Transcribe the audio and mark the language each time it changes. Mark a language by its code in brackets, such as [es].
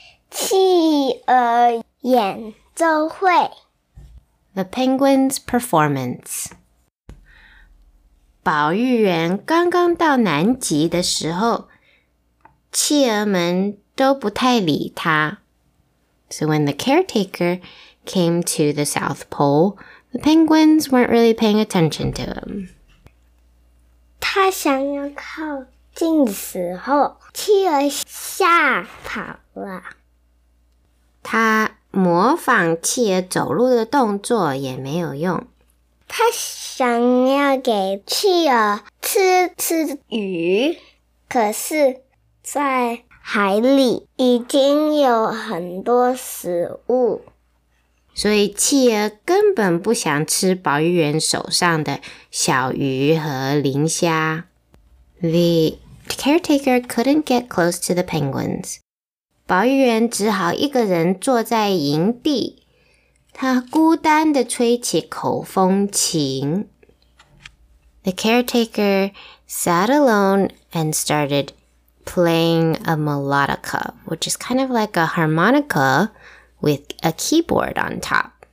[zh] 企鹅演奏会 [en] The Penguin's Performance。 [zh] 保育员刚刚到南极的时候，企鹅们都不太理他。 [en] So when the caretaker came to the South Pole, the penguins weren't really paying attention to him. [zh] 他想要靠近的时候，企鹅吓跑了。他模仿企鹅走路的动作也没有用。他想要给企鹅吃鱼，可是在海里已经有很多食物，所以企鹅根本不想吃保育员手上的小鱼和磷虾。 [en] The caretaker couldn't get close to the penguins. [zh] 保育员只好一个人坐在营地，他孤单地吹起口风琴。 [en] The caretaker sat alone and started playing a melodica, which is kind of like a harmonica with a keyboard on top.